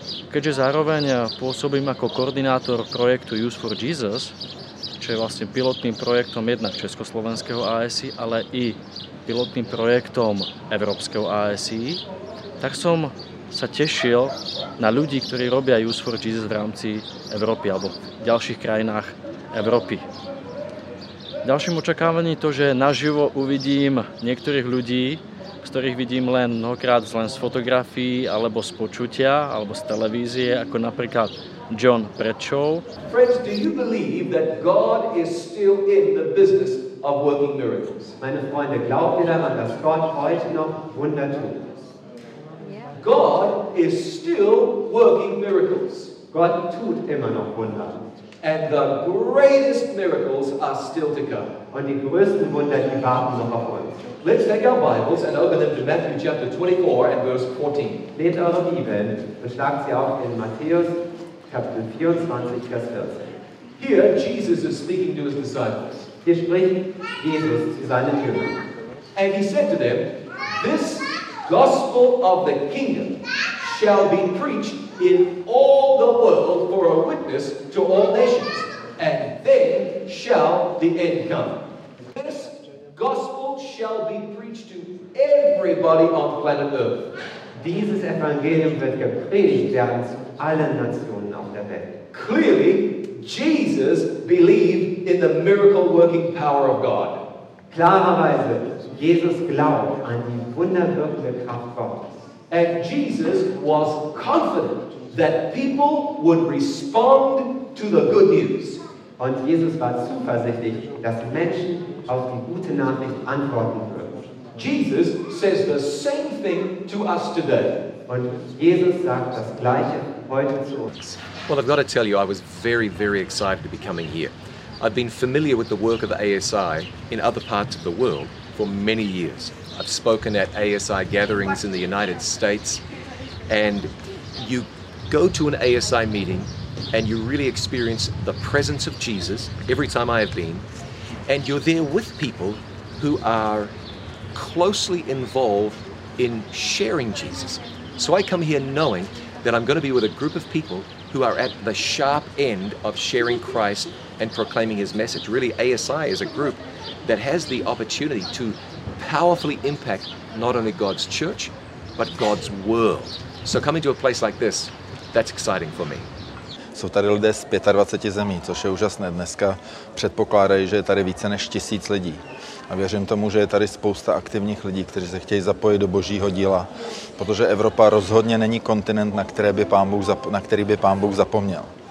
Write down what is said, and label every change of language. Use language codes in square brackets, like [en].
[sk] Keďže zároveň pôsobím ako koordinátor projektu Youth for Jesus, čo je vlastne pilotným projektom jednak československého ASI, ale i pilotným projektom európskeho ASI, tak som sa tešil na ľudí, ktorí robia Youth for Jesus v rámci Európy alebo v ďalších krajinách Európy. Ďalším očakávaním je to, že naživo uvidím niektorých ľudí, z ktorých vidím len mnohokrát len z fotografií, alebo z počutia, alebo z televízie, ako napríklad John Predshaw. [en] Friends, do you believe that God is still in the business of working miracles? [de] Meine Freunde, glaubt ihr daran, dass Gott heute noch Wunder tut? [en] God is still working miracles. [de] Gott tut immer noch Wunder. [en] And the greatest miracles are still to come. [de] Und die größten Wunder, die warten noch auf uns. [en] Let's take our Bibles and open them to Matthew chapter 24 and verse 14. [de] Nehmt eure Bibeln und schlagt sie auf in Matthäus, Kapitel 24, Vers 14. [en] Here Jesus is speaking to his disciples. [de] Hier spricht Jesus zu seinen Jüngern. [en] And he said to them, this gospel of the kingdom shall be preached in all the world for a witness to all nations, and then shall the end come. This gospel shall be preached to everybody on planet Earth. [de] Dieses Evangelium wird gepredigt werden zu allen Nationen auf der Welt. [en] Clearly, Jesus believed in the miracle-working power of God. [de] Klarerweise, Jesus glaubt an die wunderwirkende Kraft Gottes. [en] And Jesus was confident that people would respond to the good news. [de] Und Jesus war zuversichtlich, dass Menschen auf die gute Nachricht antworten würden. [en] Jesus says the same thing to us today. [de] Und Jesus sagt das Gleiche heute zu uns. [en] Well, I've got to tell you, I was very, very excited to be coming here. I've been familiar with the work of ASI in other parts of the world for many years. I've spoken at ASI gatherings in the United States, and you go to an ASI meeting and you really experience the presence of Jesus every time I have been, and you're there with people who are closely involved in sharing Jesus. So I come here knowing that I'm going to be with a group of people who are at the sharp end of sharing Christ and proclaiming his message. Really, ASI is a group that has the opportunity to powerfully impact not only God's church, but God's world. So coming to a place like this, that's exciting for me. [cs] Jsou tady lidé z 25 zemí, což je úžasné. Dneska předpokládají, že je tady více než 1000 lidí. A věřím tomu, že je tady spousta aktivních lidí, kteří se chtějí zapojit do Božího díla, protože Evropa rozhodně není kontinent, na který by Pán Bůh zapomněl.